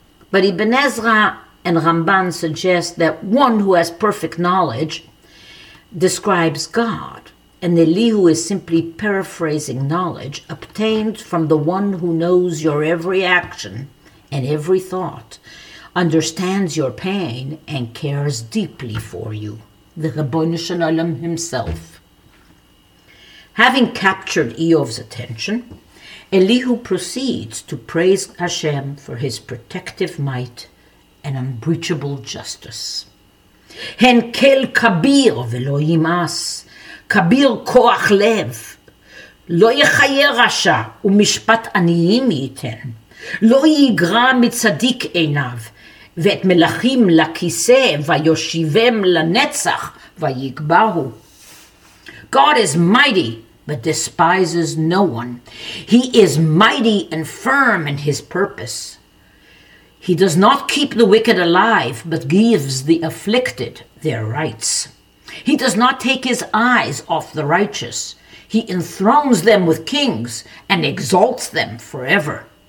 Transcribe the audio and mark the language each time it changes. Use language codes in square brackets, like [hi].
[en] But Ibn Ezra and Ramban suggest that one who has perfect knowledge describes God, and Elihu is simply paraphrasing knowledge obtained from the one who knows your every action and every thought, understands your pain, and cares deeply for you, the Ribono Shel Olam himself. Having captured Iyov's attention, Elihu proceeds to praise Hashem for his protective might and unbreachable justice. [he] הן כל כביר ולא ימאס, כביר כוח לב. לא יחיה רשע ומשפט עניים ייתן, לא יגרע מצדיק עיניו, ואת מלאכים לכיסא ויושיבם לנצח ויגברו. [en] God is mighty but despises no one. He is mighty and firm in his purpose. He does not keep the wicked alive but gives the afflicted their rights. He does not take his eyes off the righteous. He enthrones them with kings and exalts them forever.